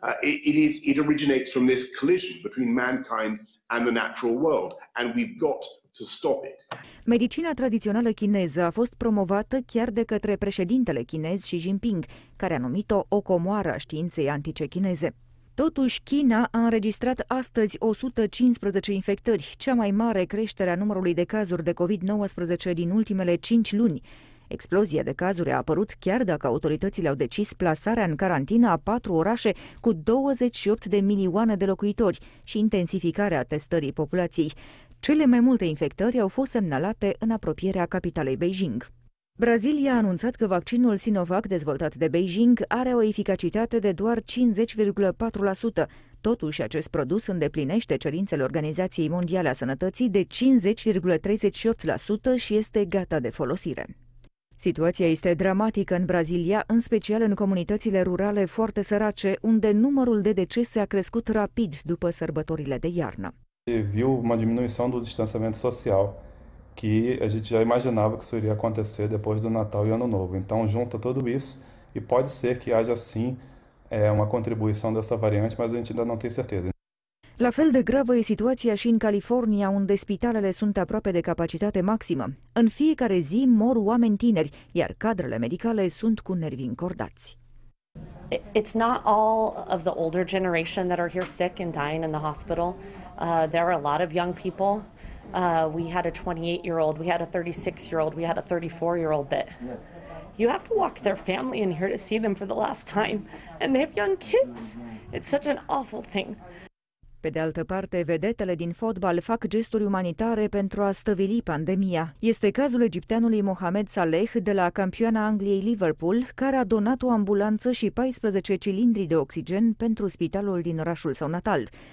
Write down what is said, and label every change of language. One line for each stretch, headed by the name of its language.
English: It originates from this collision between mankind and the natural world, and we've got to stop it.
Romanian: Medicina tradițională chineză a fost promovată chiar de către președintele chinez Xi Jinping, care a numit-o o comoară a științei antice chineze. Totuși, China a înregistrat astăzi 115 infectări, cea mai mare creștere a numărului de cazuri de COVID-19 din ultimele 5 luni. Explozia de cazuri a apărut chiar dacă autoritățile au decis plasarea în carantină a 4 orașe cu 28 de milioane de locuitori și intensificarea testării populației. Cele mai multe infectări au fost semnalate în apropierea capitalei Beijing. Brazilia a anunțat că vaccinul Sinovac dezvoltat de Beijing are o eficacitate de doar 50,4%. Totuși, acest produs îndeplinește cerințele Organizației Mondiale a Sănătății de 50,38% și este gata de folosire. Situația este dramatică în Brazilia, în special în comunitățile rurale foarte sărace, unde numărul de decese a crescut rapid după sărbătorile de iarnă.
Portuguese: Viu uma diminuição do distanciamento social, que a gente já imaginava que isso iria acontecer depois do Natal e Ano Novo. Então junta tudo isso e pode ser que haja sim uma contribuição dessa variante, mas a gente ainda não tem certeza.
Romanian: La fel de gravă e situația și în California, unde spitalele sunt aproape de capacitate maximă. În fiecare zi mor oameni tineri, iar cadrele medicale sunt cu nervii încordați.
English: It's not all of the older generation that are here sick and dying in the hospital. There are a lot of young people. We had a 28-year-old, we had a 36-year-old, we had a 34-year-old that you have to walk their family in here to see them for the last time. And they have young kids. It's such an awful thing.
Romanian: Pe de altă parte, vedetele din fotbal fac gesturi umanitare pentru a stăvili pandemia. Este cazul egipteanului Mohamed Saleh de la campioana Angliei Liverpool, care a donat o ambulanță și 14 cilindri de oxigen pentru spitalul din orașul său natal.